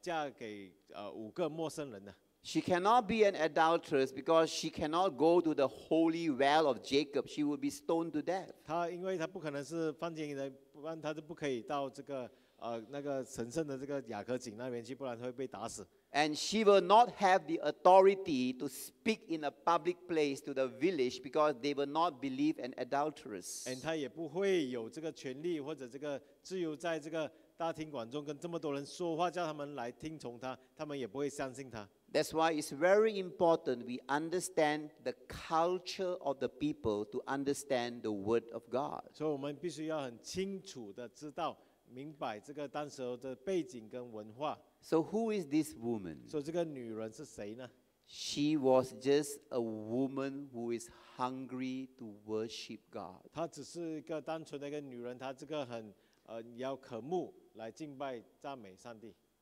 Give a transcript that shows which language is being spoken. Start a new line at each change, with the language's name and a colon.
Chinese: 这个在当时的背景下，他们是不容许一个女人嫁给五个陌生人的。
English: She cannot be an adulteress because she cannot go to the holy well of Jacob. She will be stoned to death.
Chinese: 她因为她不可能是犯奸淫的，不然她就不可以到这个那个神圣的这个雅各井那边去，不然她会被打死。
English: And she will not have the authority to speak in a public place to the village because they will not believe an adulteress. And
Chinese: 她也不会有这个权利或者这个自由在这个大庭广众跟这么多人说话，叫他们来听从她，他们也不会相信她。
English: That's why it's very important we understand the culture of the people to understand the word of God. So
Chinese: 我们必须要很清楚地知道，明白这个当时的背景跟文化。
English: So who is this woman? So
Chinese: 这个女人是谁呢？
English: She was just a woman who is hungry to worship God.
Chinese: 她只是一个单纯的一个女人，她这个很要渴慕来敬拜赞美上帝。